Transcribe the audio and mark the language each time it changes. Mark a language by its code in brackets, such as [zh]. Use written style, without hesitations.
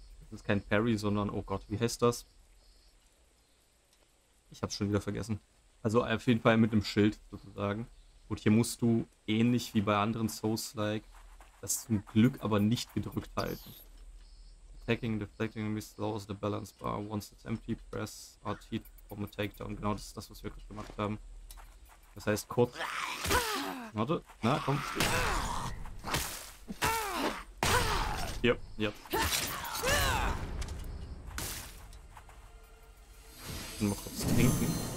[de] Das ist kein Parry, sondern, oh Gott, wie heißt das? Ich hab's schon wieder vergessen. Also auf jeden Fall mit einem Schild sozusagen. Und hier musst du, ähnlich wie bei anderen Souls-like, das zum Glück aber nicht gedrückt halten. [en] Attacking, deflecting, slows the balance bar. Once it's empty, press RT to perform a takedown. [de] Genau das ist das, was wir gerade gemacht haben. Das heißt, kurz. Warte, na komm. [en] Yep, yep. [de] Ich muss mal kurz trinken.